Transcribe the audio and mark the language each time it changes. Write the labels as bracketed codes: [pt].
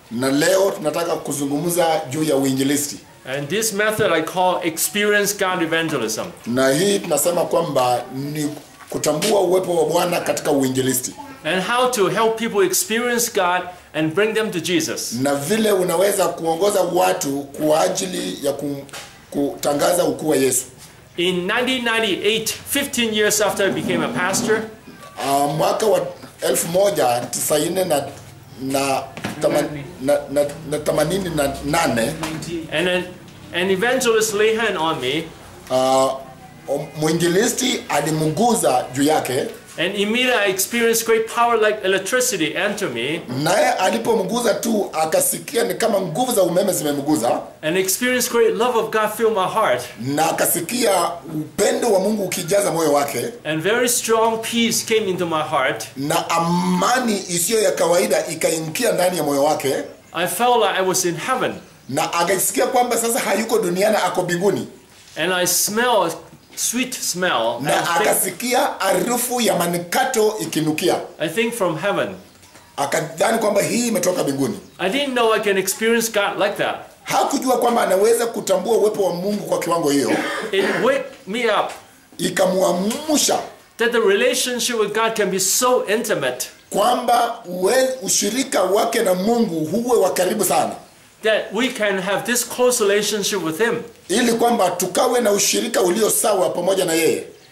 [sw] Na leo tunataka kuzungumza juu ya uinjilisti. [en] And this method I call experience God evangelism. [sw] Na hii tunasema kwamba ni kutambua uwepo wa Bwana katika uinjilisti. [en] And how to help people experience God and bring them to Jesus. [sw] Na vile unaweza kuongoza watu kwa ajili ya kutangaza ukuu wa Yesu. [en] In 1998, 15 years after I became a pastor, [sw] mwaka wa 1988, [en] and an evangelist lay hand on me, [sw] mwinjilisti alimuguza juu yake. [en] And immediately I experienced great power like electricity enter me. [sw] Naye alipomguza tu akasikia ni kama nguvu za umeme zimemguza. [en] And experienced great love of God fill my heart. [sw] Na akasikia upendo wa Mungu ukijaza moyo wake. [en] And very strong peace came into my heart. [sw] Na amani isiyo ya kawaida ikaingia ndani ya moyo wake. [en] I felt like I was in heaven. [sw] Na akasikia kwamba sasa hayuko duniani ako mbinguni. [en] And I smelled sweet smell. [sw] Na akasikia harufu ya manukato ikinukia. [en] I think from heaven. [sw] Akadhani kwamba hii imetoka mbinguni. [en] I didn't know I can experience God like that. [sw] Hakujua kwamba anaweza kutambua uwepo wa Mungu kwa kiwango hiyo. [en] It wake me up. [sw] Ikamuamsha. [en] That the relationship with God can be so intimate. [sw] Kwamba ushirika wake na Mungu huwe wa karibu sana. [en] That we can have this close relationship with him. [sw] Ili kwamba tukawe na ushirika ulio sawa pamoja na yeye.